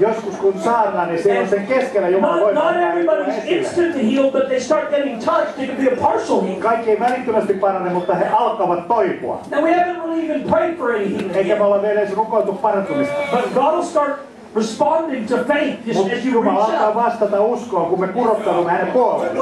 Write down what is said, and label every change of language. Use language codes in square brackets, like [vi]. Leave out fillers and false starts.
[fi] Joskus kun saarnaa, niin se on sen keskellä Jumalan voima. [en] Not everybody's instantly healed, but they start getting touched. It could be a partial healing. [fi] Kaikki ei välittömästi parane, mutta he alkavat toipua. [en] Now we haven't really even prayed for any healing. [fi] Eikä me olla vielä edes rukoiltu parantumista. [en] But God will start responding to faith just as you reach out. [fi] Mutta Jumala alkaa vastata uskoa, kun me kurottaudumme hänen puolelle.